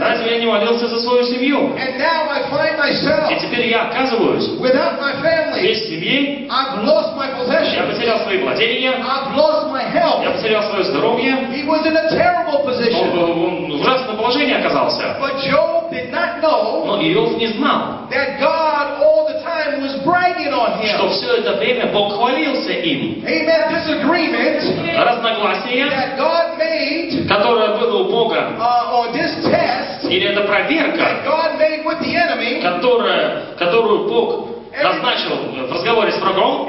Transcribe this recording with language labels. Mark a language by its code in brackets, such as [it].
[ru] Разве я не молился за свою семью? [en] And now I find myself. [ru] И теперь я оказываюсь. [en] Without my family. [ru] Без семьи. [en] I've lost my possession. [ru] Я потерял свои владения. [en] I've lost my health. [ru] Я потерял свое здоровье. [en] He was in a terrible position. [ru] Он в ужасном положении оказался. [en] But Job did not know. [ru] Но Иов не знал. [en] That God all the time was bragging on him. [ru] Что все это время Бог хвалился им. [en] Amen. Disagreement. [ru] Разногласие. [en] That God made. [ru] Которое было у Бога. [en] On this test. [ru] Или это проверка. [en] That God made with the enemy. [ru] Которую Бог назначил в разговоре с врагом.